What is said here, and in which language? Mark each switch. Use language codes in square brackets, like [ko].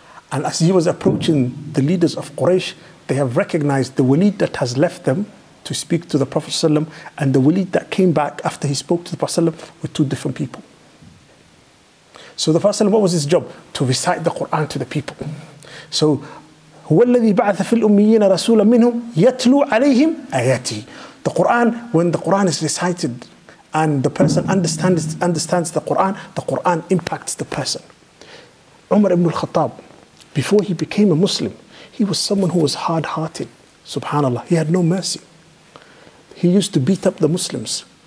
[en] And as he was approaching the leaders of Quraysh, they have recognized the Walid that has left them to speak to the Prophet ﷺ, and the Walid that came back after he spoke to the Prophet ﷺ were two different people. So the Prophet ﷺ, what was his job? To recite the Quran to the people. [ar] So, هو الذي بعث في الأميين رسولا منهم يتلو عليهم آياتي. [en] The Quran, when the Quran is recited and the person understands the Quran impacts the person. Umar ibn al-Khattab, before he became a Muslim, he was someone who was hard-hearted. Subhanallah, he had no mercy. He used to beat up the Muslims.